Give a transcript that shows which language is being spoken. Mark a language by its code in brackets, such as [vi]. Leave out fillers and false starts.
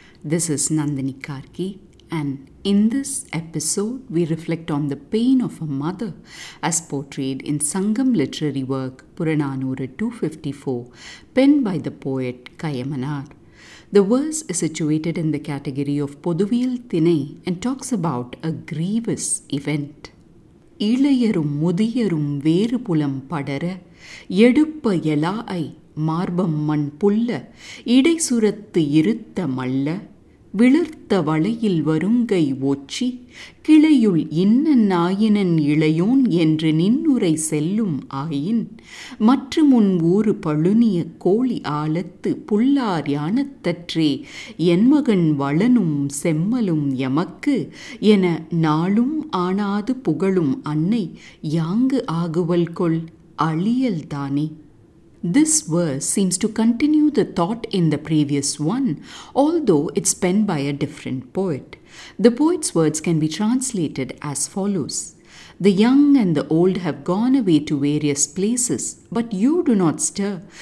[en] This is Nandini Karki, and in this episode we reflect on the pain of a mother as portrayed in Sangam literary work Puranaanooru 254, penned by the poet Kayamanaar. The verse is situated in the category of Pothuviyal Thinai and talks about a grievous event. [ta] இளையரும் முதியரும் வேறு புலம் படர எடுப்ப எலாஐ மார்பம் மண் புல்ல இடைசுரத்து இருத்த மல்ல விளர்த்த வளையில் வருங்கை ஓச்சி கிளையுள் இன்ன நாயினன் இளையோன் என்று நின்னுரை செல்லும் ஆயின் மற்று முன் ஊறு பழுனிய கோழி ஆலத்து புல்லார் யானத்தற்றே என் மகன் வளனும் செம்மலும் எமக்கு என நாளும் ஆனாது புகழும் அன்னை யாங்கு ஆகுவல் கொள் அழியல்தானே. [en] This verse seems to continue the thought in the previous one, although it's penned by a different poet. The poet's words can be translated as follows. The young and the old have gone away to various places, but you do not stir.